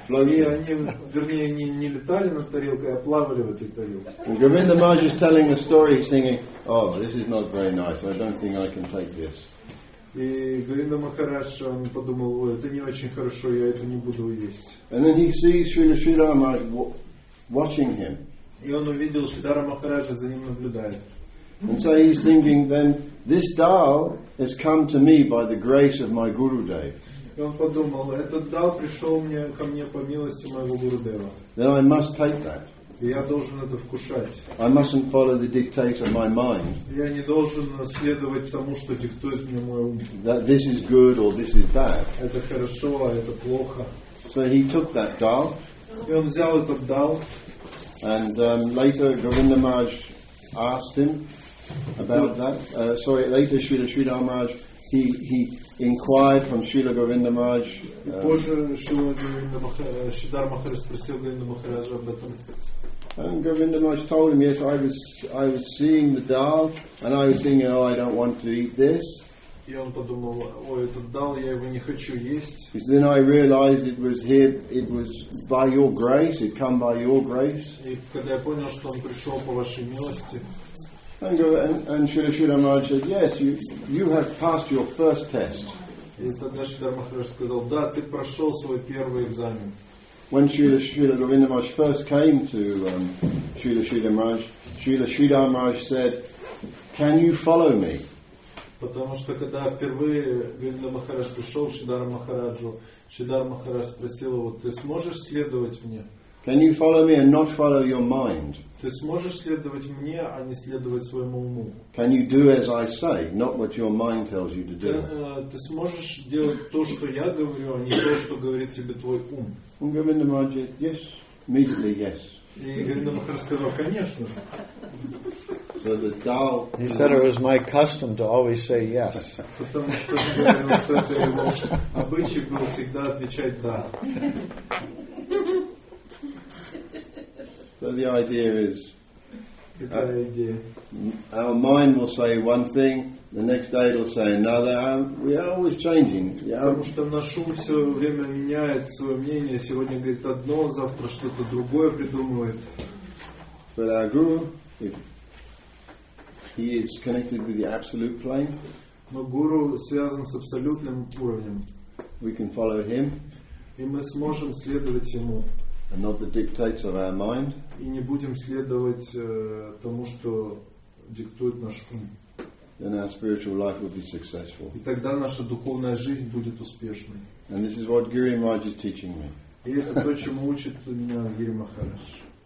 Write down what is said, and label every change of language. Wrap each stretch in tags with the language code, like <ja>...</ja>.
<ru>И они, вернее, не летали над тарелкой, а плавали в этой тарелке.</ru> <en>Govinda Maharaj is telling the story, singing, oh, this is not very nice, I don't think I can take this.</en> <ru>И Говинда Махарадж, он подумал, ой, это не очень хорошо, я это не буду есть.</ru> <en>And then he sees Srila Sridhara Maharaj watching him.</en> <ru>И он увидел Сридхара Махараджа, за ним наблюдает.</ru> <en>And so he's thinking, then this dal has come to me by the grace of my Gurudev.</en> <ru>И он подумал, этот дал пришел мне ко мне по милости моего Гурудева.</ru> <en>Then I must take that.</en> <ru>Я должен это вкушать.</ru> <en>I mustn't follow the dictate of my mind.</en> <ru>Я не должен следовать тому, что диктует мне мой ум.</ru> <en>That this is good or this is bad.</en> <ru>Это хорошо, а это плохо.</ru> <en>So he took that dal.</en> <ru>И он взял этот дал.</ru> <en>And later Govinda Maharaj asked him about that. Later Srila Sridhara Maharaj he inquired from Srila Govinda Maharaj.</en> <ru>Позже Сридхара Махарадж спросил Говинда Махараджа об этом.</ru> <en>And Govinda Maharaj told him, yes, I was seeing the dal, and I was thinking, oh, I don't want to eat this.</en> <ru>И он подумал, ой, этот дал, я его не хочу есть.</ru> <en>Because then I realized it was here, it was by your grace, it come by your grace.</en> <ru>И когда я понял, что он пришел по вашей милости.</ru> <en>And Sridhara Maharaj said, yes, you have passed your first test.</en> <ru>И тогда Сридхара Махарадж сказал, да, ты прошел свой первый экзамен.</ru> <en>When Srila Govinda Maharaj first came to Srila Sridhara Maharaj said, can you follow me?</en> <ru>Потому что когда впервые Govinda Maharaj пришел к Сридхара Махараджу, Сридхара Махарадж спросил его, ты сможешь следовать мне?</ru> <en>Can you follow me and not follow your mind?</en> <ru>Ты сможешь следовать мне, а не следовать своему уму?</ru> <en>Can you do as I say, not what your mind tells you to do?</en> <ru>Ты сможешь делать то, что я говорю, а не то, что говорит тебе твой ум?</ru> <en>And Govinda Maharaj said, yes, immediately, yes. So the dal. He said it was my custom to always say yes. So the idea is, our mind will say one thing, the next day it'll say another. We are always changing.</en> <ru>Потому что наш ум все время меняет свое мнение. Сегодня говорит одно, завтра что-то другое придумывает.</ru> <en>But our guru, if he is connected with the absolute plane,</en> <ru>но гуру связан с абсолютным уровнем.</ru> <en>We can follow him.</en> <ru>И мы сможем следовать ему.</ru> <en>And not the dictates of our mind.</en> <ru>И не будем следовать тому, что диктует наш ум.</ru> <en>Then our spiritual life will be successful.</en> <ru>И тогда наша духовная жизнь будет успешной.</ru> <en>And this is what Giri Maharaj is teaching me.</en> <ru>И это то, чему учит меня Гири Махарадж.</ru>